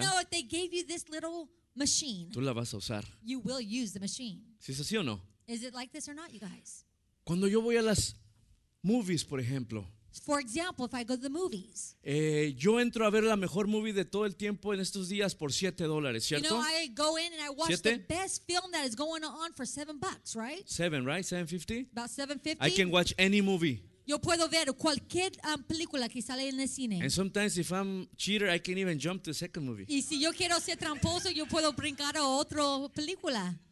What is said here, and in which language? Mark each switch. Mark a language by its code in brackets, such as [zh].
[en] they know if they gave you this little machine, [es] tú la vas a usar. [en] You will use the machine. [es] ¿Sí es así o no? [en] Is it like this or not, you guys? [es] Cuando yo voy a las movies, por ejemplo. [en] For example, if I go to the movies. [es] Yo entro a ver la mejor movie de todo el tiempo en estos días por $7, ¿cierto? [en] You know, I go in and I watch the best film that is going on for $7, right? Seven, right? $7.50? About $7.50. I can watch any movie. [es] Yo puedo ver cualquier película que sale en el cine. [en] And sometimes if I'm cheater, I can even jump to the second movie. [es] Y si yo quiero ser tramposo, yo puedo brincar a otra película.